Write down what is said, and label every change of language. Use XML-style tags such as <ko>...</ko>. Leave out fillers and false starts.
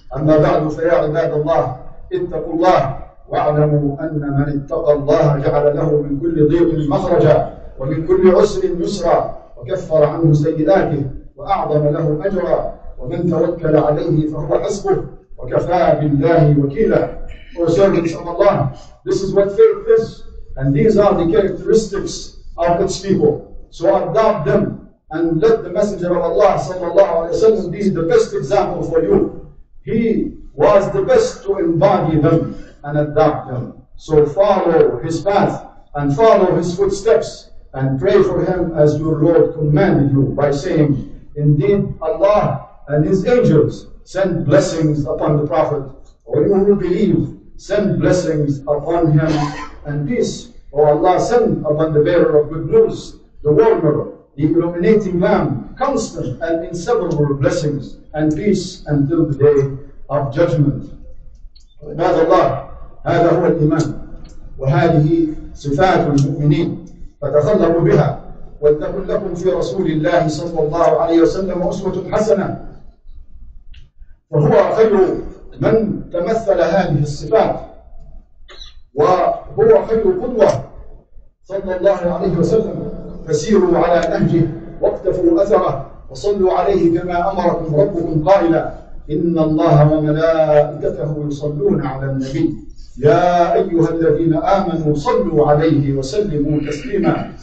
<ar>أما بعد، فيا عباد الله اتقوا الله واعلموا أن من اتقى الله جعل له من كل ضيق مخرجا ومن كل عسر يسرا وكفر عنه سيئاته وأعظم له أجرا، ومن توكل عليه فهو حسبه وكفى بالله وكيلا.</ar> <en>Oh, servants of Allah, this is what faith is, and these are the characteristics of its people. So adopt them, and let the Messenger of Allah sallallahu alayhi wa sallam be the best example for you. He was the best to embody them and adopt them. So follow his path and follow his footsteps and pray for him as your Lord commanded you by saying, indeed Allah and his angels send blessings upon the Prophet, or you who believe, send blessings upon him and peace. O Allah, send upon the bearer of good news, the warmer, the illuminating lamp, constant and inseparable blessings and peace until the day of judgment.</en> <ar>عباد الله، هذا هو الإيمان، وهذه صفات المؤمنين، فتخلقوا بها، ولتكن لكم في رسول الله صلى الله عليه وسلم أسوة حسنة، فهو خير من تمثل هذه الصفات، وهو خير قدوة صلى الله عليه وسلم، فسيروا على نهجه واقتفوا أثره وصلوا عليه كما أمركم ربكم قائلا، إن الله وملائكته يصلون على النبي، يا أيها الذين آمنوا صلوا عليه وسلموا تسليما.</ar>